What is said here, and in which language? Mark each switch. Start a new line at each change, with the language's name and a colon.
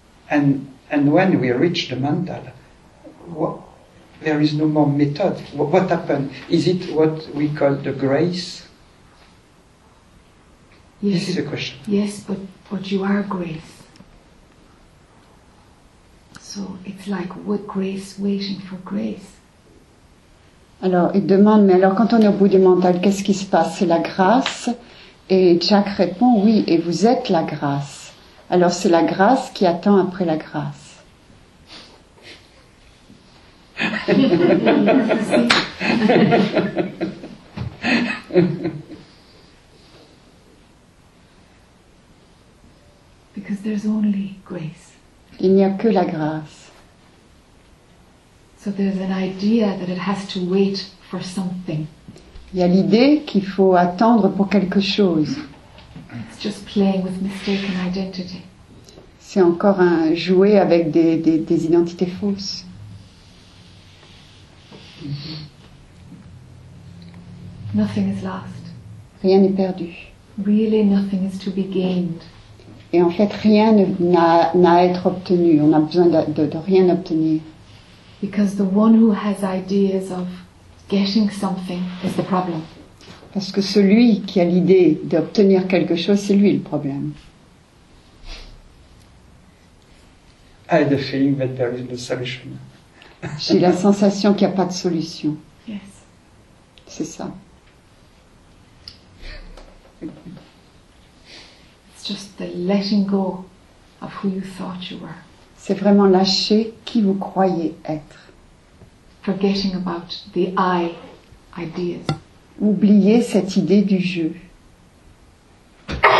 English: And when we reach the mental, there is no more method. What happened? Is it what we call the grace? Yes. This is a question. Yes, but you are grace. So it's like what grace waiting for grace.
French: Alors il demande, mais alors quand on est au bout du mental, qu'est-ce qui se passe? C'est la grâce. Et Jack répond, oui, et vous êtes la grâce. Alors c'est la grâce qui attend après la grâce.
English: Because there's only grace.
French: Il n'y a que la grâce.
English: So there's an idea that it has to wait for something.
French: Il y a l'idée qu'il faut attendre pour quelque chose.
English: It's just playing with mistaken identity.
French: C'est encore un jouer avec des identités fausses.
English: Mm-hmm. Nothing is lost.
French: Rien n'est perdu.
English: Really nothing is to be gained.
French: Et en fait rien n'a à être obtenu. On n'a besoin de rien obtenir.
English: Because the one who has ideas of getting something is the problem.
French: Parce que celui qui a l'idée d'obtenir quelque chose, c'est lui le problème.
English: I have the feeling that there is no solution.
French: J'ai la sensation qu'il n'y a pas de solution.
English: Yes.
French: C'est ça.
English: It's just the letting go of who you thought you were.
French: C'est vraiment lâcher qui vous croyez être.
English: Forgetting about the I ideas.
French: Oubliez cette idée du je.